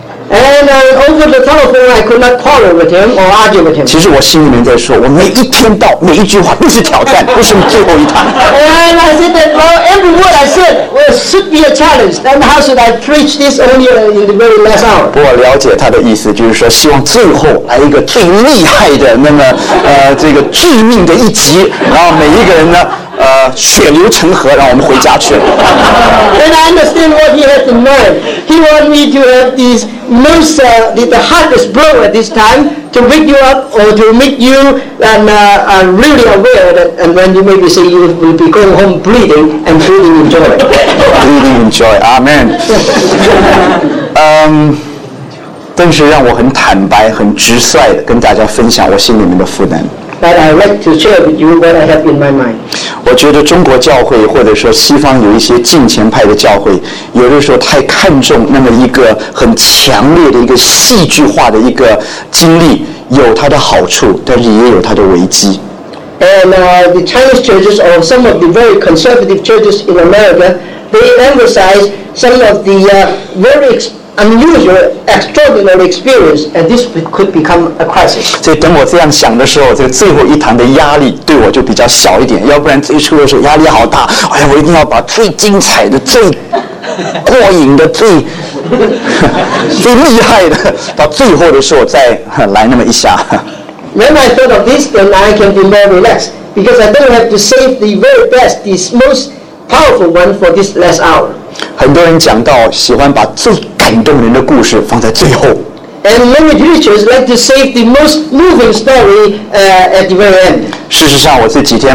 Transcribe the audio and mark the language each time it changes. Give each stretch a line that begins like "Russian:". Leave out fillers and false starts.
English: And over the telephone, I could not quarrel with him or argue with him.
Chinese: 其实我心里面在说，我每一天到每一句话都是挑战，不是最后一堂。
English: And I said that every word I said well, should be a challenge. And how should I preach this only in the very last hour?
Chinese: 不过了解他的意思，就是说希望最后来一个最厉害的，那么这个致命的一击，然后每一个人呢。血流成河，让我们回家去了。
English: And I understand what he has in mind. He wants me to have this most the hardest blow at this time to wake you up or to make you really aware that and when you maybe say you will be going home bleeding and feeling in joy. Bleeding in joy. Amen.
Chinese: 但是让我很坦白、很直率的跟大家分享我心里面的负担。
English: But I'd like to share with you what I have in my mind.
Chinese: 我觉得中国教会或者说西方有一些近前派的教会，有的时候太看重那么一个很强烈的一个戏剧化的一个经历，有它的好处，但是也有它的危机。
English: And the Chinese churches or some of the very conservative churches in America, they emphasize some of the very unusual, extraordinary experience, and this could become a crisis.
Chinese: 所以等我这样想的时候，这个最后一堂的压力对我就比较小一点。要不然一出的时候压力好大，哎呀，我一定要把最精彩的、最过瘾的、最厉害的，到最后的时候再来那么一下。
English: When I thought of this, then I can be more relaxed because I don't have to save the very best, the most powerful one for this last hour.
Chinese: 很多人讲到喜欢把最感动人的故事放在最后。
English: And many preachers like to save the most moving story at the very end.